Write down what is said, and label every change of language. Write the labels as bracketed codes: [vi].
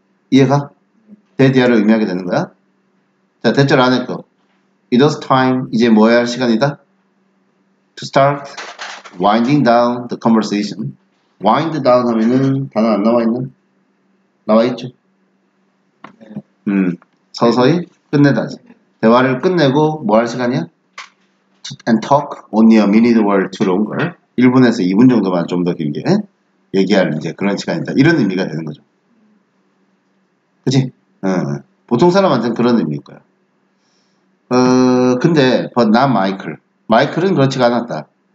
[ko] 이해가? that야를 의미하게 되는 거야. 자, that자를 안 했고 [en] it was time, [ko] 이제 뭐 해야 할 시간이다? [en] to start winding down the conversation. wind down [ko] 하면은 단어 안 나와 있나? 나와 있죠. 서서히 끝내다지. 대화를 끝내고 뭐 할 시간이야? [en] and talk only a minute or two longer. [ko] 1분에서 2분 정도만 좀 더 길게 얘기하는 이제 그런 시간이다. 이런 의미가 되는 거죠. 그치? 보통 사람한테는 그런 의미일 거야. 근데, [en] but not Michael. [ko] 마이클은 그렇지가 않았다.